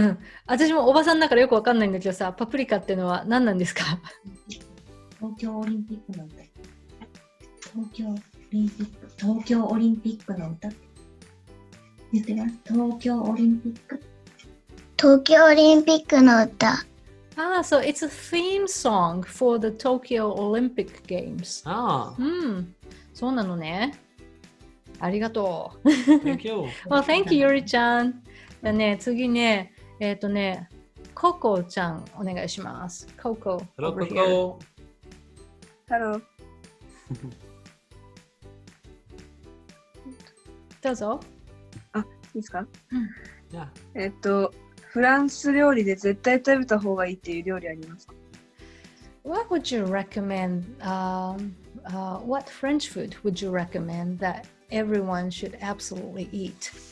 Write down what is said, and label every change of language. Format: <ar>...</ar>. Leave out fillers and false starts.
<ja>うん、私もおばさんだからよくわかんないんだけどさ、パプリカってのは何なんですか？東京オリンピックの歌。東京オリンピック、東京オリンピックの歌。言ってます。東京オリンピック。東京オリンピックの歌。</ja> <en>Ah, so it's a theme song for the Tokyo Olympic Games. Ah.</en> <ja>そうなのね。ありがとう。</ja> <en>Thank you. Well, thank you, Yuri-chan.</en> <ja>じゃあね、次ね、Coco ちゃん、お願いします。</ja> <en>Coco. Hello, Coco. Hello. Hello.</en> <ja>どうぞ。あ、いいですか？</ja> <en>Yeah.</en> <ja>フランス料理で絶対食べた方がいいっていう料理ありますか？</ja> <en>What would you recommend? What French food would you recommend that everyone should absolutely eat?</en>